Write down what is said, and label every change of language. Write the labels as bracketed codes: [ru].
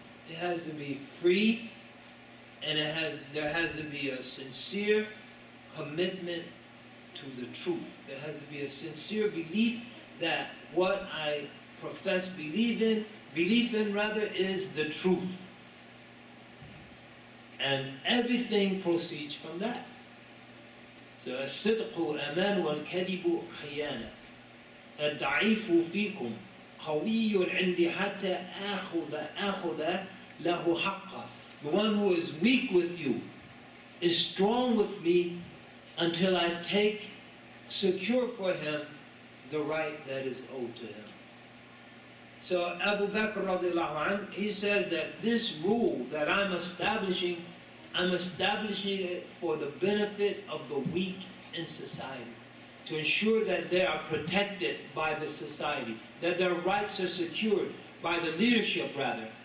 [en] It has to be free, and there has to be a sincere commitment to the truth. There has to be a sincere belief that what I profess belief in, is the truth. And everything proceeds from that. [ar] So, as-sidqu aman wal-kadibu khiyana. الضعيف فيكم قوي عندي حتى آخذ له حقا. [en] The one who is weak with you is strong with me until I take secure for him the right that is owed to him. So Abu Bakr radiallahu anhu, he says that this rule that I'm establishing it for the benefit of the weak in society, to ensure that they are protected by the society, that their rights are secured by the leadership rather.